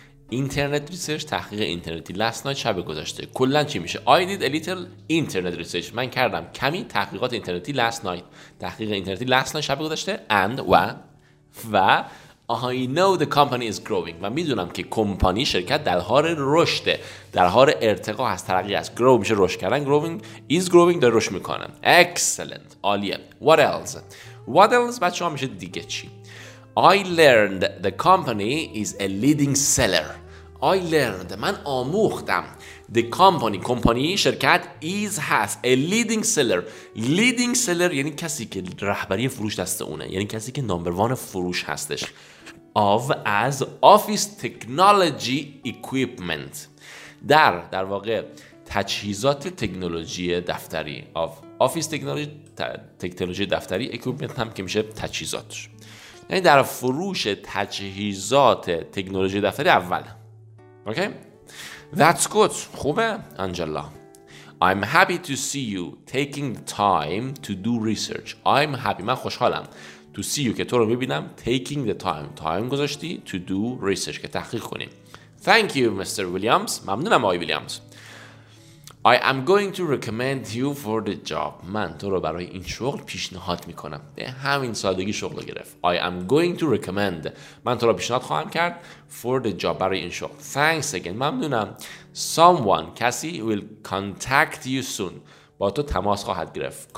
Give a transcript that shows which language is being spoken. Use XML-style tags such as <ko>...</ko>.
<fa>اینترنت ریسرچ تحقیق اینترنتی. لست نایت شب گذاشته. کلن چی میشه؟</fa> <en>I did a little internet research.</en> <fa>من کردم کمی تحقیقات اینترنتی لست نایت. تحقیق اینترنتی لست نایت شب گذاشته.</fa> <en>And و I know the company is growing.</en> <fa>و میدونم که کمپانی شرکت در حال رشده. در حال ارتقا هست، ترقی هست. Grow میشه رشد کردن.</fa> <en>Growing is growing.</en> <fa>داره رشد میکنه.</fa> <en>Excellent.</en> <fa>عالیه.</fa> <en>What else? What else</en> <fa>بچه ها میشه دیگه چی؟</fa> <en>I learned the company is a leading seller. I learned.</en> <fa>من آموختم.</fa> <en>The company.</en> <fa>کمپانی شرکت</fa> <en>is has a leading seller.</en> <fa>Leading seller یعنی کسی که رهبری فروش دست اونه. یعنی کسی که نمبر وان فروش هستش.</fa> <en>Of as office technology equipment.</en> <fa>در واقع تجهیزات تکنولوژی دفتری آفیس تکنولوژی دفتری اکویپمنت هم که میشه تجهیزاتش، یعنی در فروش تجهیزات تکنولوژی دفتری اول. اوکی</fa> <en>That's good.</en> <fa>خوبه آنجلا.</fa> <en>I'm happy to see you taking the time to do research. I'm happy.</en> <fa>من خوشحالم.</fa> <en>To see you</en> <fa>که تو رو ببینم.</fa> <en>Taking the time. Time</en> <fa>گذاشتی</fa> <en>to do research</en> <fa>که تحقیق کنی.</fa> <en>Thank you Mr. Williams.</en> <fa>ممنونم آقای ویلیامز.</fa> <en>I am going to recommend you for the job.</en> <fa>من تو رو برای این شغل پیشنهاد میکنم. به همین سادگی شغل رو گرفت.</fa> <en>I am going to recommend.</en> <fa>من تو رو پیشنهاد خواهم کرد.</fa> <en>For the job.</en> <fa>برای این شغل.</fa> <en>Thanks again.</en> <fa>ممنونم.</fa> <en>Someone.</en> <fa>کسی</fa> <en>will contact you soon.</en> <fa>با تو تماس خواهد گرفت.</fa>